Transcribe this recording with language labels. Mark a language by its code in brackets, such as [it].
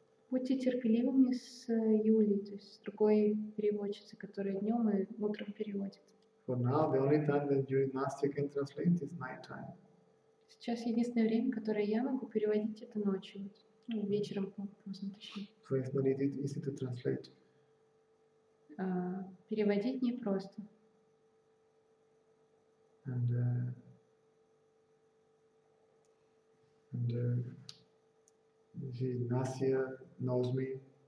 [ru] Будьте терпеливыми с Юлей, то есть с другой переводчицей, которая днем и утром переводит. [en] For now, the only time that you Nastya can translate is night time. [ru] Сейчас единственное время, которое я могу переводить, это ночью, вечером, поздно, точнее. [en] So it's not easy to translate. [ru] Переводить непросто. [en] And Nastya knows me.